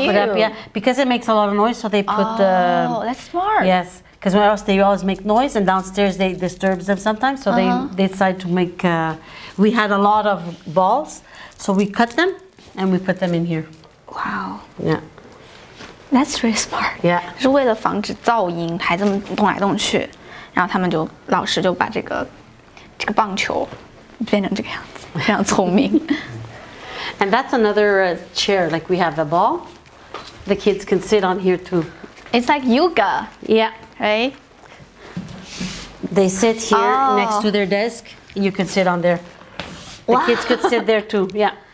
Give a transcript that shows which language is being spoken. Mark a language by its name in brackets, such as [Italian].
[English] They all put up, because it makes a lot of noise, so they put the... Oh, that's smart. Yes. Because where else they always make noise, and downstairs they disturb them sometimes. So they decide to make, we had a lot of balls. So we cut them and we put them in here. Wow. Yeah. That's really smart. Yeah. [Chinese] 是为了防止噪音，孩子们动来动去，然后他们就，老师就把这个棒球变成这个样子，非常聪明。 [English] And that's another chair, like we have a ball. The kids can sit on here too. It's like yoga. Yeah. Right? They sit here next to their desk. You can sit on there. The kids could sit there too. Yeah.